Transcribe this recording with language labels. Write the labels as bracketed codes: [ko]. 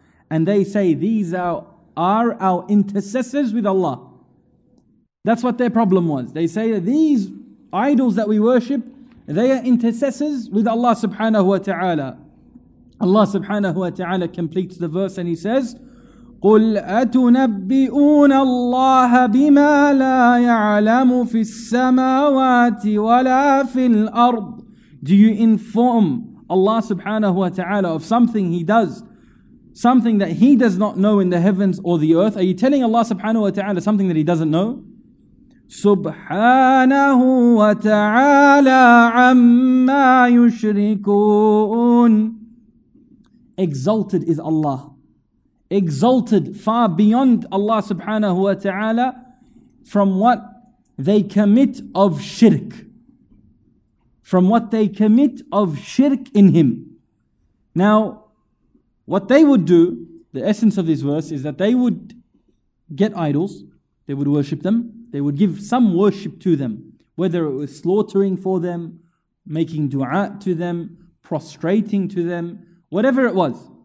[en] And they say, these are our intercessors with Allah. That's what their problem was. They say that these idols that we worship, they are intercessors with Allah subhanahu wa ta'ala. Allah subhanahu wa ta'ala completes the verse and He says, [ar] قُلْ أَتُنَبِّئُونَ اللَّهَ بِمَا لَا يَعْلَمُ فِي السَّمَاوَاتِ وَلَا فِي الْأَرْضِ. [en] Do you inform Allah subhanahu wa ta'ala of something He does, something that He does not know in the heavens or the earth? Are you telling Allah subhanahu wa ta'ala something that He doesn't know? [ar] سبحانه وتعالى عما يشركون. [en] Exalted is Allah. Exalted far beyond Allah subhanahu wa ta'ala from what they commit of shirk. From what they commit of shirk in Him. Now, what they would do, the essence of this verse is that they would get idols, they would worship them, they would give some worship to them, whether it was slaughtering for them, making dua to them, prostrating to them, whatever it was.